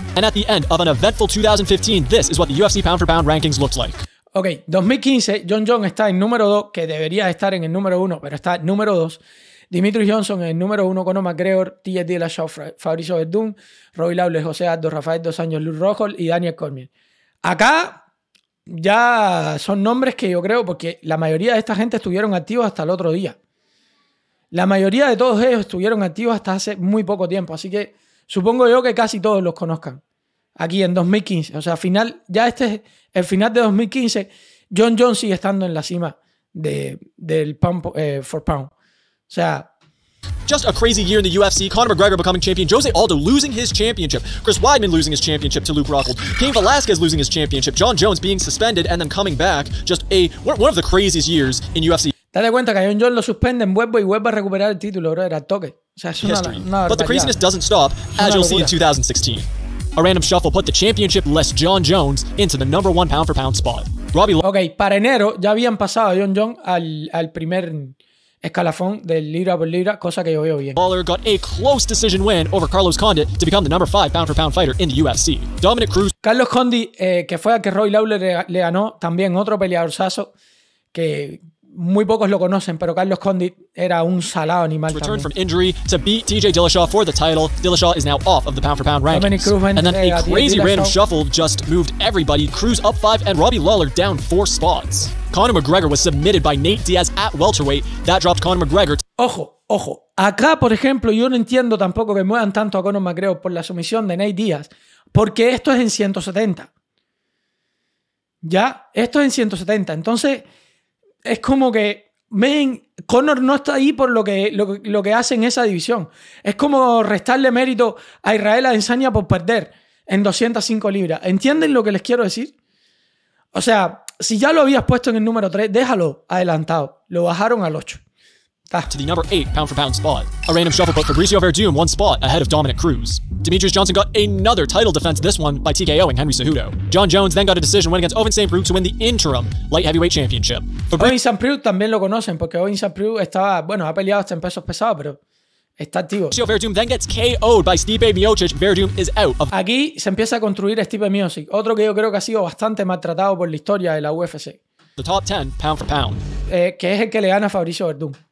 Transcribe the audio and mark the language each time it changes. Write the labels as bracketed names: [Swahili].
[English] And at the end of an eventful 2015, this is what the UFC pound for pound rankings looked like. [Spanish] Ok, 2015, John Jones está en número 2, que debería estar en el número 1, pero está en número 2. Dimitri Johnson en el número 1, Conor McGregor, TJ Dillashaw, Fabricio Verdum, Roy Lawler, José Aldo, Rafael Dos Anjos, Luke Rockhold y Daniel Cormier. Acá ya son nombres que yo creo, porque la mayoría de esta gente estuvieron activos hasta el otro día. La mayoría de todos ellos estuvieron activos hasta hace muy poco tiempo, así que supongo yo que casi todos los conozcan. Aquí en 2015, o sea, final, ya este es el final de 2015, John Jones sigue estando en la cima del pound for pound. O sea, [English] just a crazy year in the UFC, Conor McGregor becoming champion, Jose Aldo losing his championship, Chris Weidman losing his championship to Luke Rockhold, Cain Velasquez losing his championship, John Jones being suspended and then coming back, just one of the craziest years in UFC. [Spanish] Date cuenta que a John Jones lo suspenden, vuelve y vuelve a recuperar el título, bro, era toque. O sea, es una barbaridad. [English] But the craziness doesn't stop, as you'll see in 2016. A random shuffle put the championship-less John Jones into the number one pound-for-pound spot. Robbie [Spanish] Ok, para enero ya habían pasado a John Jones al primer escalafón del libra por libra, cosa que yo veo bien. [English] Lawler got a close decision win over Carlos Condit to become the number 5 pound-for-pound fighter in the UFC. Dominic Cruz... [Spanish] Carlos Condit, que fue al que Roy Lawler le ganó, también otro peleadorzazo que... Muy pocos lo conocen, pero Carlos Condit era un salado animal [English] return From injury to beat TJ Dillashaw for the title. Dillashaw is now off of the pound for pound rankings. And then a crazy random shuffle just moved everybody. Cruz up 5 and Robbie Lawler down 4 spots. Conor McGregor was submitted by Nate Diaz at welterweight. That dropped Conor McGregor. [Spanish] Ojo. Acá, por ejemplo, yo no entiendo tampoco que muevan tanto a Conor McGregor por la sumisión de Nate Diaz, porque esto es en 170. ¿Ya? Esto es en 170. Entonces... Es como que men, Conor no está ahí por lo que hace en esa división. Es como restarle mérito a Israel Adesanya por perder en 205 libras. ¿Entienden lo que les quiero decir? O sea, si ya lo habías puesto en el número 3, déjalo adelantado. Lo bajaron al 8. [English] To the number 8 pound for pound spot. A random shuffle put Fabricio Verdum one spot ahead of Dominic Cruz. Demetrius Johnson got another title defense, this one by TKOing Henry Cejudo. John Jones then got a decision win against Owen St. Preux to win the interim light heavyweight championship. [Spanish] Owen St. Preux también lo conocen porque Owen St. Preux estaba, bueno, ha peleado hasta en pesos pesados, pero está activo. [English] Fabricio Verdum then gets KO'd by Stipe Miocic. Verdum is out of. [Spanish] Aquí se empieza a construir Stipe Miocic, otro que yo creo que ha sido bastante maltratado por la historia de la UFC. [English] The top 10 pound for pound. [Spanish] Que es el que le gana a Fabricio Verdum.